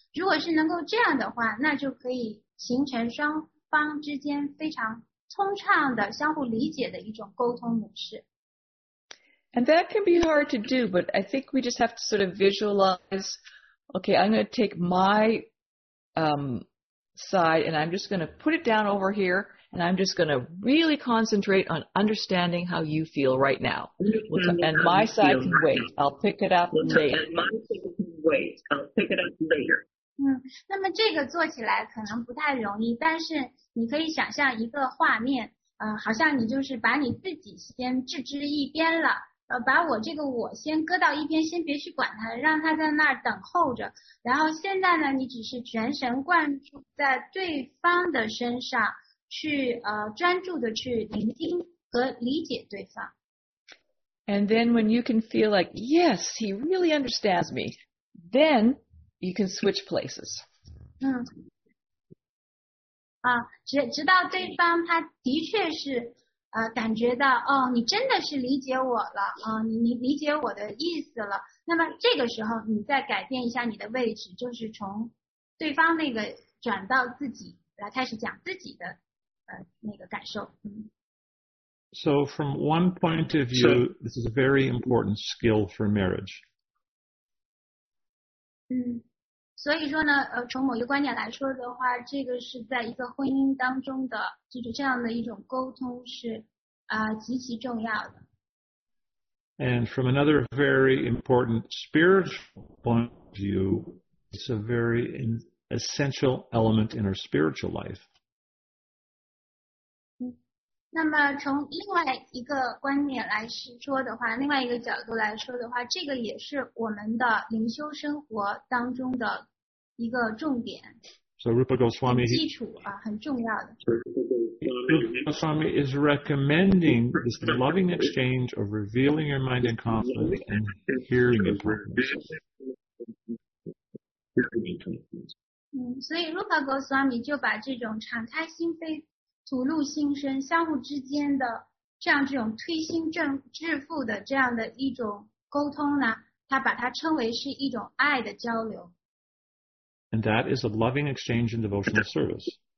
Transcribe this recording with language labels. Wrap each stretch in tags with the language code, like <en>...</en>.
<zh>如果是能够这样的话，那就可以形成双方之间非常通畅的相互理解的一种沟通模式。</zh> <en>And that can be hard to do, but I think we just have to sort of visualize, okay, I'm going to take my side and I'm just going to put it down over here and I'm just going to really concentrate on understanding how you feel right now. And my side can wait. I'll pick it up later. And my side can wait. I'll pick it up later.</en> <zh>那么这个做起来可能不太容易，但是你可以想象一个画面，好像你就是把你自己先置之一边了，把我这个我先搁到一边，先别去管它，让它在那儿等候着。然后现在呢，你只是全神贯注在对方的身上去，专注的去聆听和理解对方。</zh> <en>And then when you can feel like, yes, he really understands me, then,You can switch places.</en> <zh>直到对方他的确是感觉到哦，你真的是理解我了，你理解我的意思了。那么这个时候你再改变一下你的位置，就是从对方那个转到自己来开始讲自己的那个感受。</zh> <en>So from one point of view, this is a very important skill for marriage.</en> <zh>所以说呢从某一个观点来说的话，这个是在一个婚姻当中的就是这样的一种沟通是极其重要的。</zh> <en>And from another very important spiritual point of view, it's a very essential element in our spiritual life.</en> <zh>那么从另外一个观点来说的话，另外一个角度来说的话，这个也是我们的灵修生活当中的一个重点。</zh> <en>So Rupa Goswami,</en> <zh>基础啊，很重要的。</zh> <en>Rupa Goswami is recommending this loving exchange of revealing your mind and confidence and hearing it.</en> <zh>所以 Rupa Goswami 就把这种敞开心扉吐露心声相互之间的这种推心置腹的这样的一种沟通呢，他把它称为是一种爱的交流。</zh> <en>And that is a loving exchange in devotional service.</en>